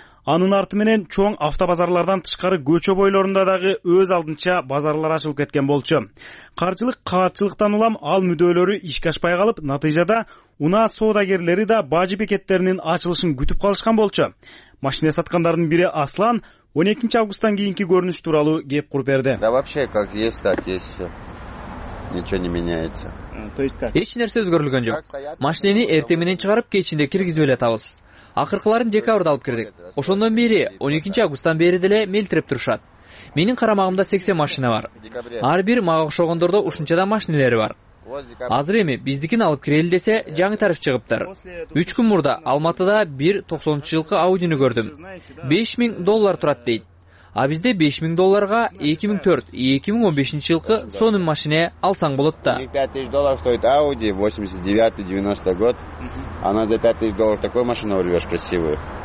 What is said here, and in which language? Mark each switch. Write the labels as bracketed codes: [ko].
[ky] Анын арты менен чоң автобазарлардан тышкары көчө бойлорунда дагы өз алдынча базарлар ачылып кеткен болчу. Каржылык каатчылыктан улам ал мүдөөлөрү ишке ашпай калып, натыйжада унаа соодагерлери да бажы бекеттеринин ачылышын күтүп калышкан болчу. Машине саткандардын бири Аслан 12 августтан кийинки көрүнүш тууралуу кеп куруп берди. [ru] Да вообще как есть, так есть все. ничего не меняется. То есть как? [ky] Эч нерсе өзгөрүлгөн жок. Машинени эрте менен чыгарып, кечинде киргизип эле атабыз. Акыркыларын декабрда алып кирдик. Ошондон бери 12 августтан бери деле мелтирип турушат. Менин карамагымда 80 машина бар. Ар бир мага окшогондордо ушунчада машинелери бар. Азыр эми биздикин алып кирели десе жаңы тарыф чыгыптыр. 3 күн мурда Алматыда 190 жылкы аудини көрдүм. $5000 турат дейт. А бизде $5000 2004-2015 жылкы сонун машине алсаң болот да. [ru] $5000 стоит Audi 89-90 год. Она за $5000 такой машину урвешь красивую.